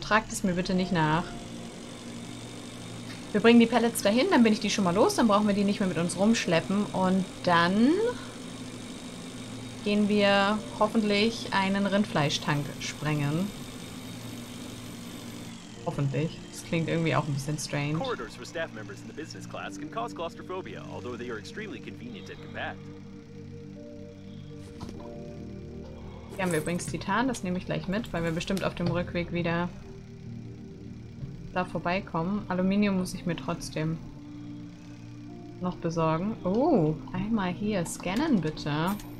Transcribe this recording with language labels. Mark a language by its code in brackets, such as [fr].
[de] Tragt es mir bitte nicht nach. Wir bringen die Pellets dahin. Dann bin ich die schon mal los. Dann brauchen wir die nicht mehr mit uns rumschleppen. Und dann gehen wir hoffentlich einen Rindfleischtank sprengen. Hoffentlich. Klingt irgendwie auch ein bisschen strange. [en] Corridors for staff members in the business class can cause claustrophobia, although they are extremely convenient and compact. [de] Hier haben wir übrigens Titan, das nehme ich gleich mit, weil wir bestimmt auf dem Rückweg wieder da vorbeikommen. Aluminium muss ich mir trotzdem noch besorgen. Oh, einmal hier scannen bitte.